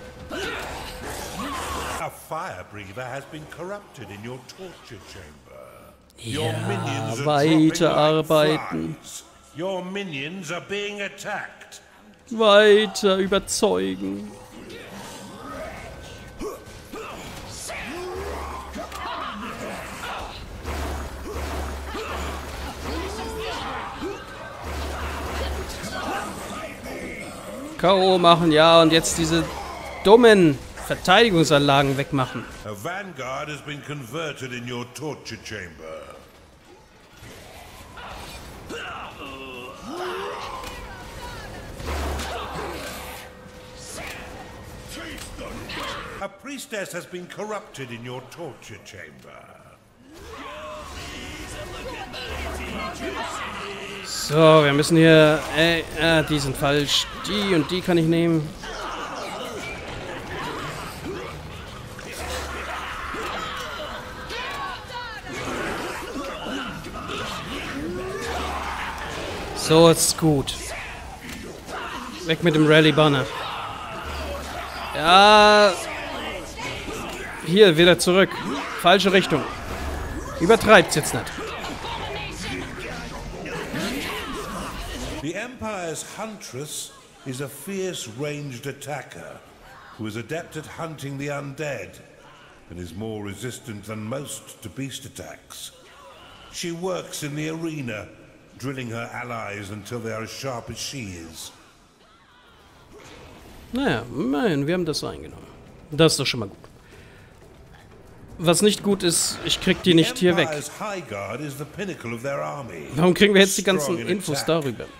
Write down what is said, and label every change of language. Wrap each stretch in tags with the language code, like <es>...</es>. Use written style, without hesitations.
<en>A firebreather has been corrupted in your torture chamber. Your minions are</en> <de>weiterarbeiten.</de> <en>Your minions are being attacked.</en> <de>Weiter überzeugen. K.O. machen, ja, und jetzt diese dummen Verteidigungsanlagen wegmachen.</de> <en>A Vanguard has been converted in your torture chamber. A priestess has been corrupted in your torture chamber.</en> <de>So, wir müssen hier... die sind falsch. Die und die kann ich nehmen. So, ist gut. Weg mit dem Rally-Banner. Ja... Hier, wieder zurück. Falsche Richtung. Übertreibt's jetzt nicht.</de> <en>The Empire's Huntress is a fierce ranged attacker who is adept at hunting the undead and is more resistant than most to beast attacks. She works in the arena, drilling her allies until they are as sharp as she is.</en> <de>Naja, nein, wir haben das eingenommen. Das ist doch schon mal gut. Was nicht gut ist, ich krieg die nicht hier weg. Warum kriegen wir jetzt die ganzen Infos darüber?</de>